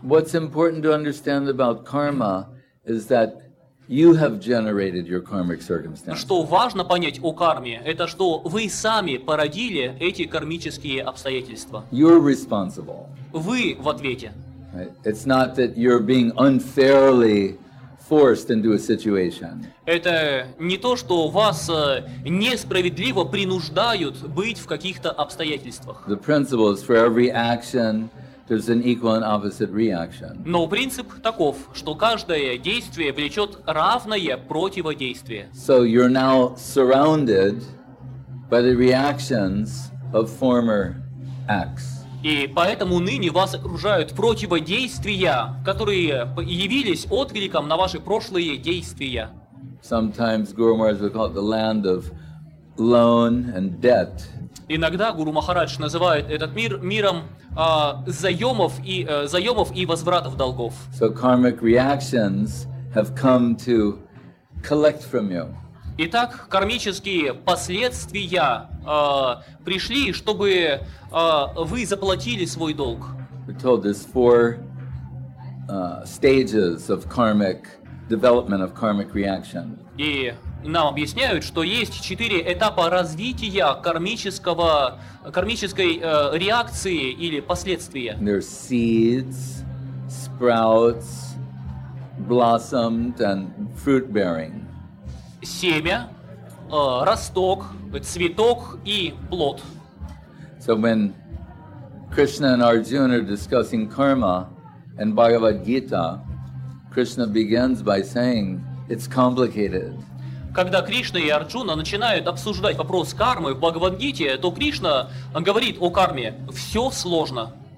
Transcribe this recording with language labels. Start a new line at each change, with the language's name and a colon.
English: What's important to understand about karma is that you have generated your karmic circumstances.
Russian: Что важно понять о карме, это что вы сами породили эти кармические обстоятельства.
English: You're responsible.
Russian: Вы в ответе.
English: It's not that you're being unfairly forced into a situation.
Russian: Это не то, что вас несправедливо принуждают быть в каких-то обстоятельствах.
English: The principle is for every action there's an equal and opposite reaction.
Russian: Но принцип таков, что каждое действие влечет равное противодействие.
English: So you're now surrounded by the reactions of former acts.
Russian: И поэтому ныне вас окружают противодействия, которые явились откликом на ваши прошлые действия.
English: Sometimes Guru Maharaj would call it the land of loan and debt.
Russian: Иногда Гуру Махарадж называет этот мир миром заемов и возвратов долгов.
English: So karmic reactions have come to collect from you.
Russian: Итак, кармические последствия пришли, чтобы вы заплатили свой долг.
English: We're told there's four stages of karmic development of karmic reaction.
Russian: И нам объясняют, что есть четыре этапа развития кармической реакции или последствия.
English: There's seeds, sprouts, blossomed and fruit bearing.
Russian: Семя, росток, цветок и плод.
English: So when Krishna and Arjuna are discussing karma in Bhagavad Gita, Krishna begins by saying it's complicated.
Russian: Когда Кришна и Арджуна начинают обсуждать вопрос кармы в Бхагавад-гите, то Кришна говорит о карме: все сложно.